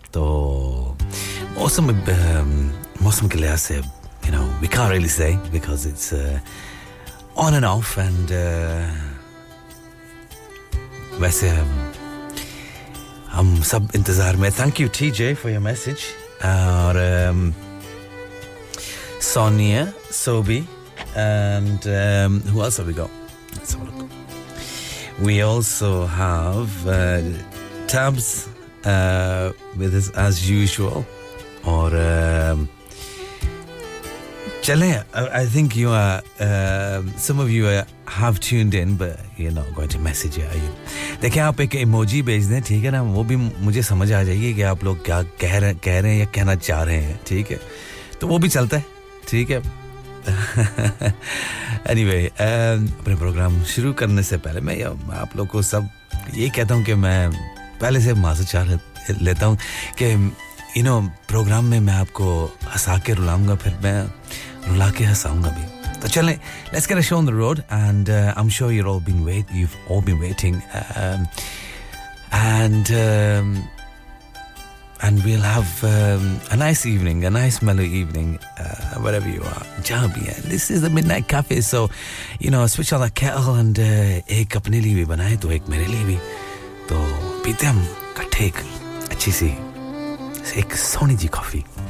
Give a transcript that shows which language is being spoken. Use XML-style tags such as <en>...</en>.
<hi>तो मौसम मौसम के लिहाज से,</hi> <en>You know, we can't really say because it's on and off. And</en> <hi>वैसे हम सब इंतजार में.</hi> <en>Thank you T J for your message.</en> <hi>और</hi> <en>Sonia, Sobi, and who else have we got? Let's have a look. We also have Tabs with us as usual. Or Chale, I think you are. Some of you have tuned in, but you're not going to message it, are you?</en> <hi>देखिए आप एक emoji भेज दें, ठीक है ना? वो भी मुझे समझ आ जाएगी कि आप लोग क्या कह रहे हैं या कहना चाह रहे हैं, ठीक है? तो वो भी चलता है. ठीक है. एनीवे अपने प्रोग्राम शुरू करने से पहले मैं आप लोगों को सब ये कहता हूँ कि मैं पहले से माजरत चाह लेता हूँ कि</hi> <en>you know</en> <hi>प्रोग्राम में मैं आपको हंसा के रुलाऊंगा, फिर मैं रुला के हंसाऊंगा भी. तो चलें,</hi> <en>Let's get a show on the road. And I am sure you all been wait, you all been waiting. And and we'll have a nice evening, a nice mellow evening, wherever you are. Jabi, this is the Midnight Cafe, so, you know, switch on the kettle and</en> <hi>ek apne liye bhi</hi> <en>banaye to ek mere liye bhi.</en> <hi>To peete hum ikatthe ek achhi si ek Sony ji coffee.</hi>